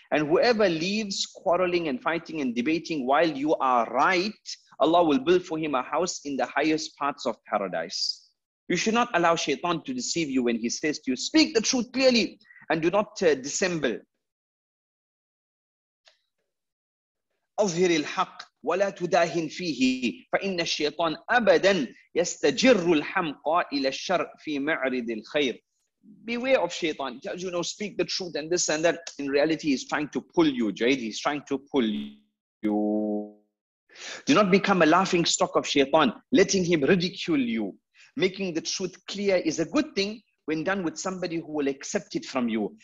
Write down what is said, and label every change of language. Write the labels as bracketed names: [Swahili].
[English] And whoever leaves quarreling and fighting and debating while you are right, Allah will build for him a house in the highest parts of paradise. You should not allow shaitan to deceive you when he says to you, speak the truth clearly and do not dissemble. [Arabic] أظهر الحق ولا تداهن فيه فإن الشيطان أبدا يستجر الحمق إلى الشر في معرض الخير. [English] Beware of shaitan. He tells you, no, speak the truth and this and that. In reality, he's trying to pull you, Jaid. He's trying to pull you. Do not become a laughing stock of shaitan, letting him ridicule you. Making the truth clear is a good thing when done with somebody who will accept it from you.